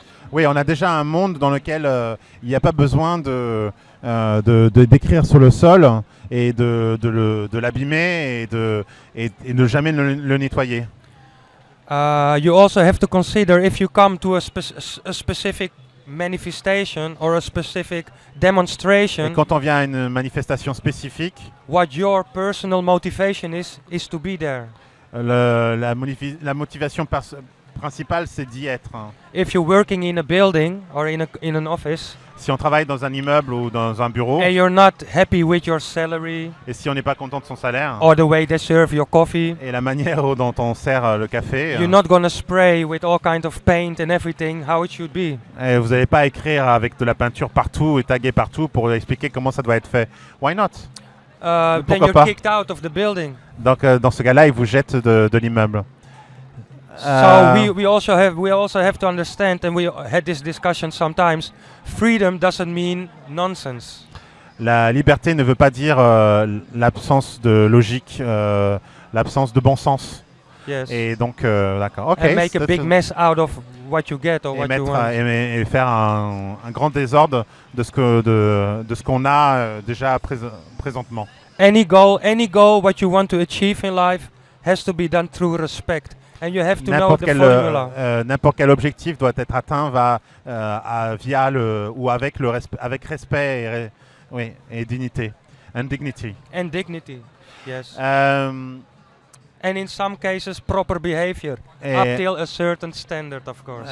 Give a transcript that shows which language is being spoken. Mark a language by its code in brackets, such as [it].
[fr] Oui, on a déjà un monde dans lequel il n'y a pas besoin de d'écrire sur le sol et de l'abîmer et de jamais le nettoyer. [en] You also have to consider if you come to a specific manifestation or a specific demonstration. [fr] Et quand on vient à une manifestation spécifique, [en] what your personal motivation is to be there. [fr] La motivation principale, c'est d'y être. [en] If you're working in a building or in an office. [fr] Si on travaille dans un immeuble ou dans un bureau. [en] And you're not happy with your salary. [fr] Et si on n'est pas content de son salaire. [en] Or the way they serve your coffee. [fr] Et la manière dont on sert le café. [en] You're not gonna spray with all kinds of paint and everything how it should be. [fr] Et vous n'allez pas écrire avec de la peinture partout et taguer partout pour expliquer comment ça doit être fait. [en] Why not? Then you're kicked out of the building. [fr] Donc dans ce cas-là, ils vous jettent de l'immeuble. [en] So we also have to understand, and we had this discussion sometimes. Freedom doesn't mean nonsense. [fr] La liberté ne veut pas dire l'absence de logique, l'absence de bon sens. [en] Yes. [fr] Et donc d'accord. Okay. [en] And make a big mess out of what you get or what you want. [fr] Et faire un grand désordre de ce que de ce qu'on a déjà présentement. [en] Any goal, what you want to achieve in life, has to be done through respect. And you have to know the formula. [fr] N'importe quel objectif doit être atteint avec respect et dignité. [en] And dignity. Yes. And in some cases, proper behavior up till a certain standard, of course.